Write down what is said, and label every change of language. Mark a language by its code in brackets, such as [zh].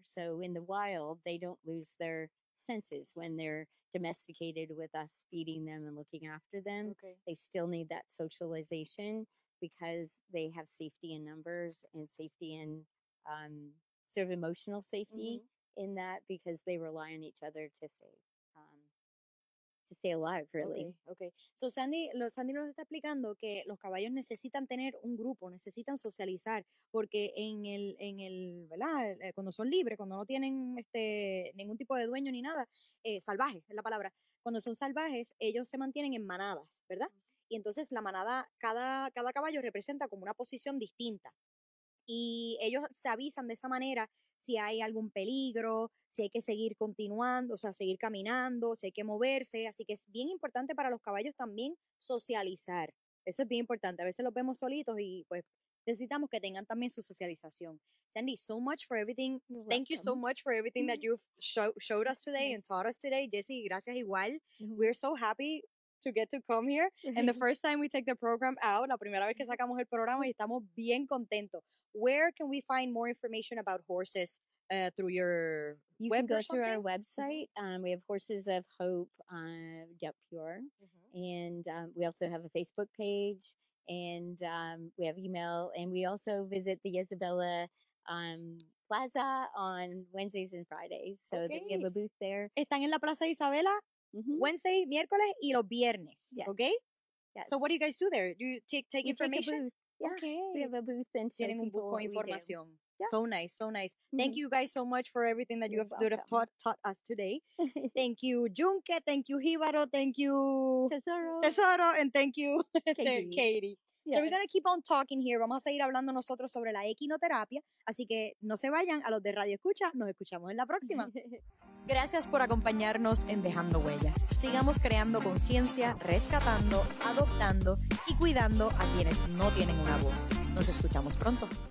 [en] So in the wild, they don't lose their senses when they're domesticated with us feeding them and looking after them. Okay. They still need that socialization because they have safety in numbers and safety in sort of emotional safety mm-hmm. in that, because they rely on each other to stay alive, really. Okay. [es] So Sandy nos está explicando que los caballos necesitan tener un grupo, necesitan socializar, porque en el, ¿verdad? Cuando son libres, cuando no tienen ningún tipo de dueño ni nada, salvajes es la palabra. Cuando son salvajes, ellos se mantienen en manadas, ¿verdad? Y entonces la manada, cada caballo representa como una posición distinta. Y ellos se avisan de esa manera si hay algún peligro, si hay que seguir continuando, o sea, seguir caminando, si hay que moverse. Así que es bien importante para los caballos también socializar. Eso es bien importante. A veces los vemos solitos y pues necesitamos que tengan también su socialización. [en] Sandy, so much for everything. You're Thank welcome. You so much for everything that you've showed us today and taught us today. Jesse, [es] gracias igual. [en] Mm-hmm. We're so happy to get to come here, and the first time we take the program out, [es] la primera vez que sacamos el programa, y estamos bien contentos. [en] Where can we find more information about horses through your you web can go or through our website. We have Horses of Hope .pure, and we also have a Facebook page, and we have email, and we also visit the Isabela Plaza on Wednesdays and Fridays, so okay. We have a booth there. [es] Están en la Plaza Isabela mm-hmm. [en] Wednesday, [es] miércoles, y los viernes. [en] Yes. Okay? Yes. So what do you guys do there? Do you take information? Take a booth. Yeah. Okay. We have a booth and show [es] Tienen un [en] people [es] booth información. [en] Yeah. So nice, so nice. Mm-hmm. Thank you guys so much for everything that You're you have taught us today. Thank you, Junke. Thank you, Jíbaro. Thank you, Tesoro. And thank you, Katie. Yes. So we're going to keep on talking here. [es] Vamos a seguir hablando nosotros sobre la equinoterapia. Así que no se vayan. A los de Radio Escucha, nos escuchamos en la próxima. Gracias por acompañarnos en Dejando Huellas. Sigamos creando conciencia, rescatando, adoptando y cuidando a quienes no tienen una voz. Nos escuchamos pronto.